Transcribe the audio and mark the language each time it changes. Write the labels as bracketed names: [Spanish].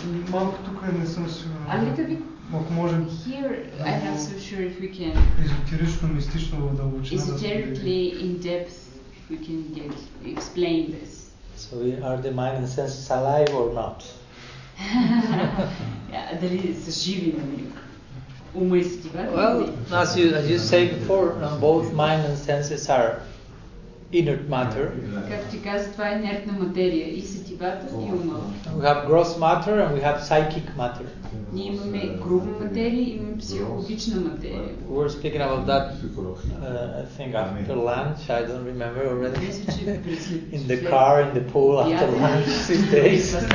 [Bulgarian] Малко тук не съм сигурен. Ако можем, [English] here I'm not so sure if we can. [Bulgarian] Езотерично, мистично, в дълбочина. [English] Esoterically in depth, we can get explain this. So are the mind and senses alive or not? [Bulgarian] Yeah, дали са живи на ми? Ума и сетивата. [English] Well, as you say before, both mind and senses are inert matter. [Bulgarian] Как ти каза, това е инертна материя и сетивата и ума. [English] We have gross matter and we have psychic matter. [Bulgarian] Ние имаме груба материя, имаме психологична материя. [English] We were speaking about that, I think, after lunch. I don't remember already. In the car, in the pool, after lunch, these days.